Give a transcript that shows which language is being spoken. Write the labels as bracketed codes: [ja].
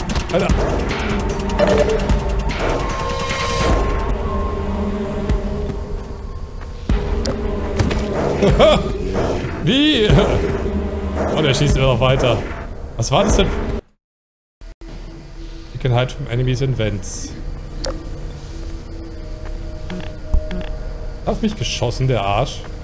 [de] Alter. Wie? Oh, der schießt immer noch weiter. Was war das denn? [en] You can hide from enemies in vents. [de] Auf mich geschossen, der Arsch.